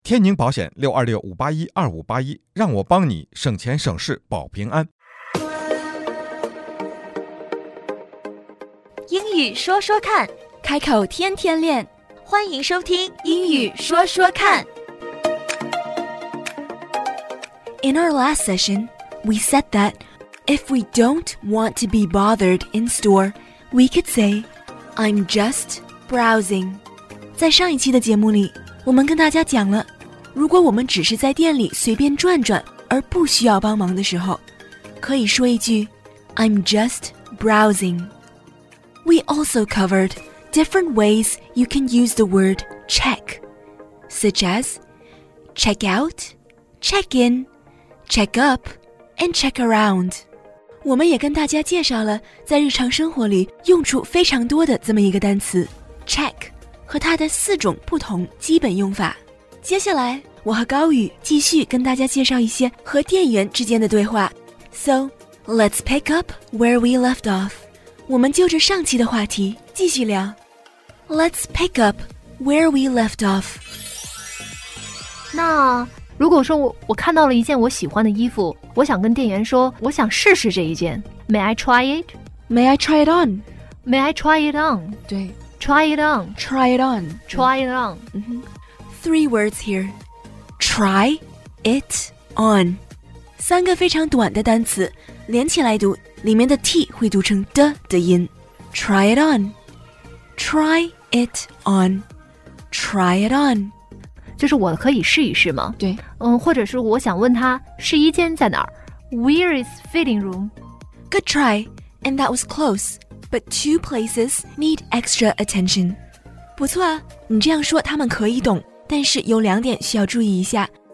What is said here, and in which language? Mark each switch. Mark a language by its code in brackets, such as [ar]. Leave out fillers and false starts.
[zh] 天宁保险626-581-2581，让我帮你省钱省事保平安。英语说说看，开口天天练，欢迎收听英语说说看。 [en] In our last session, we said that if we don't want to be bothered in store, we could say, I'm just browsing. [zh] 在上一期的节目里，我们跟大家讲了，如果我们只是在店里随便转转而不需要帮忙的时候，可以说一句 [en] I'm just browsing. We also covered different ways you can use the word check, such as check out, check in, check up, and check around. [zh] 我们也跟大家介绍了在日常生活里用处非常多的这么一个单词 check 和它的四种不同基本用法。接下来我和高宇继续跟大家介绍一些和店员之间的对话。 [en] So, let's pick up where we left off. [zh] 我们就着上期的话题继续聊。 [en] Let's pick up where we left off. [zh] 那如果说 我看到了一件我喜欢的衣服，我想跟店员说我想试试这一件。 [en] May I try it? May I try it on? May I try it on? [zh] 对， [en] try it on. Try it on. Try it on. Three words here. Try it on. [zh] 三个非常短的单词连起来读，里面的 T 会读成 的 的音。 [en] Try it on. Try it on. Try it on. [zh] 就是我可以试一试吗？对。或者是我想问他试衣间在哪儿？ [en] Where is fitting room? Good try, and that was close, but two places need extra attention. [zh] 不错啊，你这样说他们可以懂。但是有两点需要注意一下。